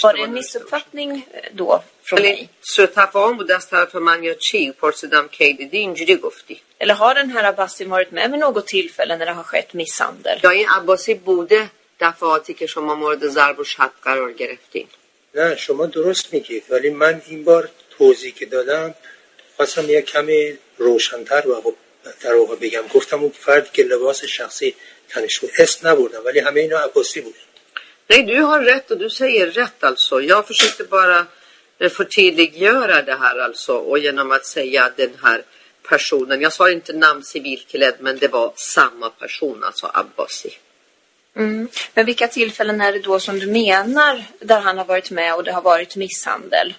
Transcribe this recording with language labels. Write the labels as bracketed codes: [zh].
[fa] پاره نیست فتنی دو. سو تفاهم بود از طرف من یا چی؟ پرسیدم که دیدی اینجوری گفتی. [sv] Eller har den här Abbasi varit med vid något tillfälle när det har skett misshandel? [fa] Ja, این Abbasi بوده دفعاتی که شما مورد ضرب و شتم قرار گرفتین. نه شما درست میگید ولی من این بار توضیحی که دادم خواستم یک کمی روشن‌تر و در واقع بگم گفتم اون فرد که لباس شخصی تنش بود اس نبردم ولی همه اینا Abbasi بود. [sv] Nej, du har rätt och du säger rätt alltså. Jag försökte bara för tydliggöra det här alltså, och genom att säga den här personen, jag sa inte namn civilklädd, men det var samma person, alltså Abbasi. Mm. Men vilka tillfällen är det då som du menar där han har varit med och det har varit misshandel?